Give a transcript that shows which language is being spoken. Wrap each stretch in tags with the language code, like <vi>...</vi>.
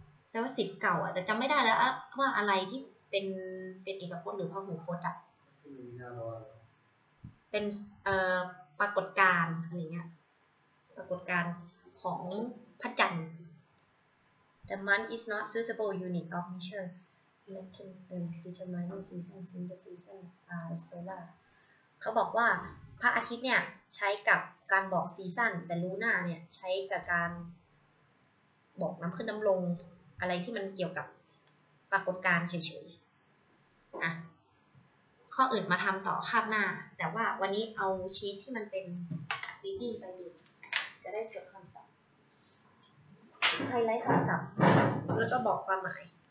<th>แต่ว่าศิษย์เก่าอ่ะแต่จำไม่ได้แล้วว่าอะไรที่เป็นเอกพจน์หรือพหูพจน์อ่ะเป็นปรากฏการณ์อะไรเงี้ยปรากฏการณ์ของพระจันทร์</th> <en>The month is not suitable unit of measure. Let him determine season, since the season are solar.</en> <th>เขาบอกว่าพระอาทิตย์เนี่ยใช้กับการบอกซีซันแต่ลูน่าเนี่ยใช้กับการบอกน้ำขึ้นน้ำลงอะไรที่มันเกี่ยวกับปรากฏการณ์เฉยๆอ่ะข้ออื่นมาทำต่อคาบหน้าแต่ว่าวันนี้เอาชีทที่มันเป็นดีดีไปดูจะได้จบคำศัพท์ไฮไลท์คำศัพท์แล้วก็บอกความหมาย</th>